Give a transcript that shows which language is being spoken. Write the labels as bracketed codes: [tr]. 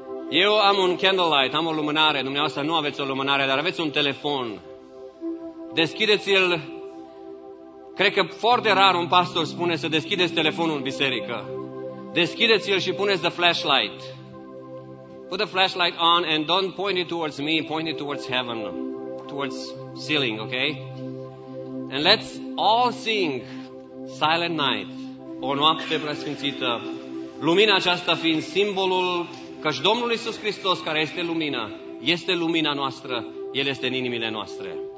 [ro] Eu am un candlelight, am o lumânare. Dumneavoastră nu aveți o lumânare, dar aveți un telefon. Deschideți-l. Cred că foarte rar un pastor spune să deschideți telefonul în biserică. Deschideți-l și puneți [en] the flashlight. Put the flashlight on and don't point it towards me, point it towards heaven, towards ceiling, okay? And let's all sing Silent Night, [ro] O noapte preasfințită, lumina aceasta fiind simbolul căci Domnul Iisus Hristos, care este lumina, este lumina noastră, El este în inimile noastre.